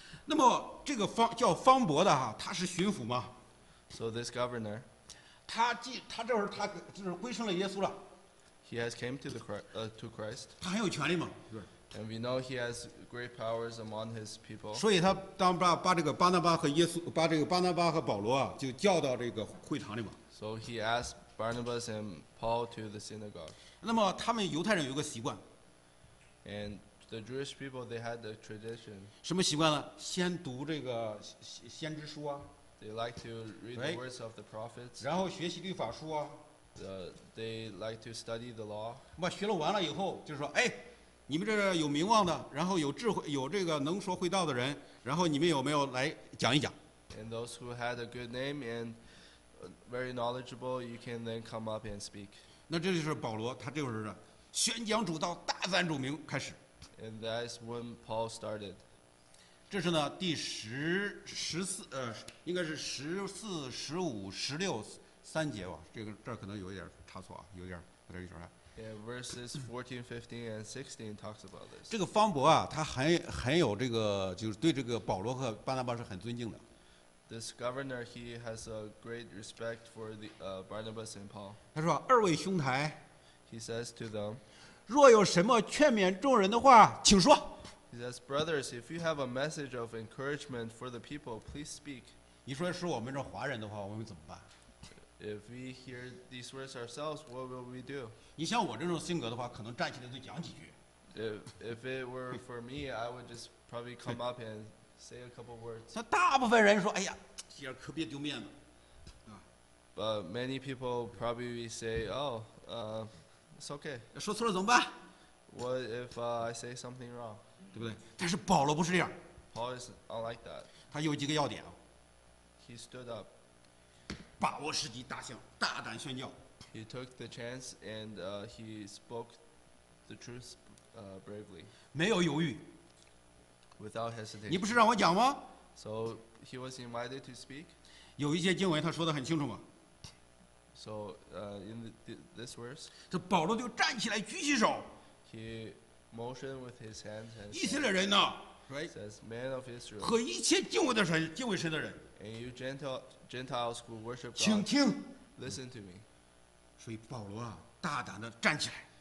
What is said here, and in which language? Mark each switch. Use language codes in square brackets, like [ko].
[zh] 那么这个方叫方伯的哈，他是巡抚吗 [en] ？So this governor. [zh] 他这会儿他就是归顺了耶稣了。 [en] He has came to the to Christ. [zh] 他很有权利嘛。 [en] And we know he has great powers among his people. [zh] 所以他当把这个巴拿巴和耶稣，把这个巴拿巴和保罗啊，就叫到这个会堂里嘛。 [en] So he asked Barnabas and Paul to the synagogue. [zh] 那么他们犹太人有个习惯。 [en] And the Jewish people they had a tradition. [zh] 什么习惯呢？先读这个先知书啊。 [en] They like to read the words of the prophets. [zh] 然后学习律法书啊。 [en] They like to study the law. [zh] 那学了完了以后，就是说，哎，你们这有名望的，然后有智慧，有这个能说会道的人，然后你们有没有来讲一讲 [en] ？And those who had a good name and very knowledgeable, you can then come up and speak. [zh] 那这就是保罗，他就是宣讲主道，大赞主名开始。 [en] And that's when Paul started. [zh] 这是呢第十四应该是十四十五十六三节吧这个这可能有一点差错啊有点意思啊 [en] Yeah, verses 14, 15 and 16 talks about this. [zh] 这个方伯啊他很有这个就是对这个保罗和巴拿巴是很尊敬的。 [en] This governor, he has a great respect for the, Barnabas and Paul. [zh] 他说二位兄台 [en] He says to them, [zh] 若有什么劝勉众人的话请说。 [en] He says, brothers, if you have a message of encouragement for the people, please speak. [zh] 你说是我们这华人的话，我们怎么办？ [en] If we hear these words ourselves, what will we do? [zh] 你像我这种性格的话，可能站起来就讲几句。 [en] If it were for me, I would just probably come up and say a couple words. [zh] 那大部分人说，哎呀，这样可别丢面子。 [en] But many people probably say, oh, it's okay. [zh] 说错了怎么办？ [en] What if I say something wrong? [zh] 对不对？但是保罗不是这样。 [en] Paul is unlike that. [zh] 他有几个要点啊。 [en] He stood up. [zh] 把握时机，大声，大胆宣教。 [en] He took the chance and he spoke the truth bravely. [zh] 没有犹豫。 [en] Without hesitation. [zh] 你不是让我讲吗？ [en] So he was invited to speak. [zh] 有一些经文他说得很清楚吗？ [en] So in this verse, [zh] 这保罗就站起来举起手。 [en] He motioned with his hands and [zh] 以色列人呢 ？Right? [en] Says men of Israel. [zh] 和一切敬畏的神、敬畏神的人。 [en] And you Gentiles who worship God. [zh] 请听。 [en] Listen to me. [zh] 所以保罗啊，大胆的站起来。